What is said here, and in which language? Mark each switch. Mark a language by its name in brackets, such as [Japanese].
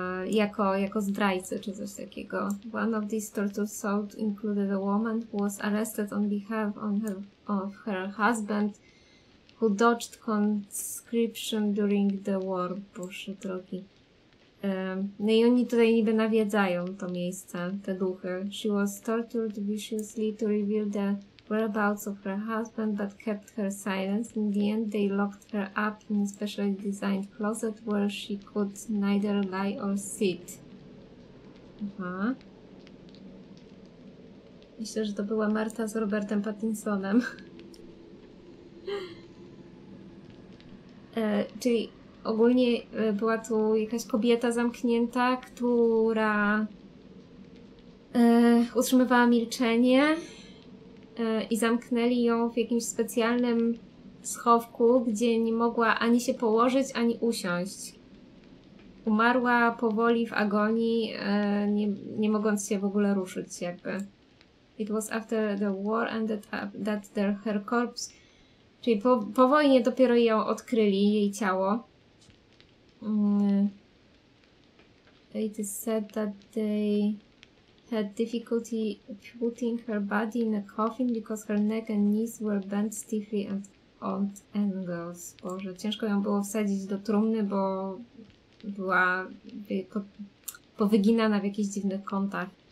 [Polish] Jako zdrajcy czy coś takiego. [English] One of these torture sorts included a woman who was arrested on behalf of her husband who dodged conscription during the war. [Polish] Boże drogi. No i oni tutaj niby nawiedzają to miejsce, te duchy. [English] She was tortured viciously to reveal the whereabouts of her husband, but kept her silence. In the end, they locked her up in a specially designed closet where she could neither lie or sit. [Polish] Aha. Myślę, że to była Marta z Robertem Pattinsonem. czyli... Ogólnie była tu jakaś kobieta zamknięta, która utrzymywała milczenie i zamknęli ją w jakimś specjalnym schowku, gdzie nie mogła ani się położyć, ani usiąść. Umarła powoli w agonii, nie mogąc się w ogóle ruszyć jakby. [English] It was after the war ended up that her corpse... [Polish] Czyli po wojnie dopiero ją odkryli, jej ciało. [English] It is said that they had difficulty putting her body in a coffin because her neck and knees were bent stiffly at odd angles. [Polish] Boże, ciężko ją było wsadzić do trumny, bo była powyginana w jakichś dziwnych kątach.